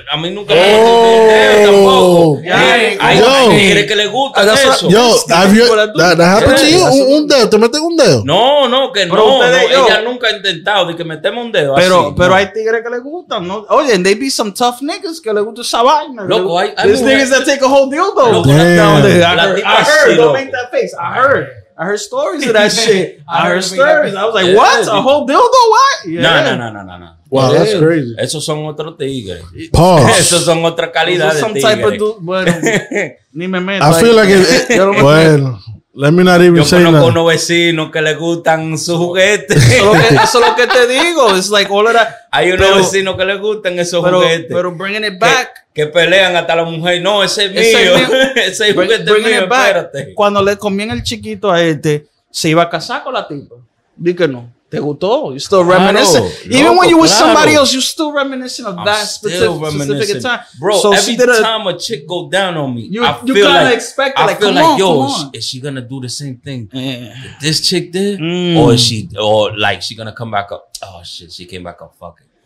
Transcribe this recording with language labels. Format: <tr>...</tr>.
<es>A mí nunca me va a meter un dedo tampoco. Yo, ¿quiere que le guste eso? Yo,</es> <en>¿that happened to you?</en> <es>¿Un dedo? ¿Te metes un dedo? No, no, que no. Ella nunca ha intentado de que meteme un dedo. Pero hay tigres que le gustan, ¿no?</es> <en>Oye, and they be some tough niggas</en> <es>que le gusta esa vaina. Loco, hay...</es> <en>There's niggas that take a whole deal, though. Damn. I heard. Don't make that face. I heard stories of that shit. I heard stories. I was like, what? A whole dildo? What? No. Wow, that's crazy.</en> <es>Esos son otros tigres. Pause. Esos son otra calidad de</es> <en>some type of dude.</en> <es>Bueno, ni me meto.</es> <en>I feel like it. Bueno, let me not even say that.</en> <es>Yo conozco unos vecinos que le gustan sus juguetes. Eso es lo que te digo.</es> <en>It's like all of that.</en> <es>Hay unos vecinos que le gustan esos juguetes.</es> <en>Pero bringing it back.</en> <es>Que pelean hasta la mujer. No, ese es mío. Ese es juguete mío. Espérate. Cuando le comían el chiquito a este, se iba a casar con la tipa. Dí que no. Te gustó?</es> <en>You're still reminiscing. Even when you were somebody else, you're still reminiscing of that specific time. Bro, so every time a chick go down on me, you kind of like, expect it. Like, I feel come like, on, yo, come on. Is she going to do the same thing that this chick did? Mm. Or is she, or like, she going to come back up? Oh, shit, she came back up. Fuck it.</en>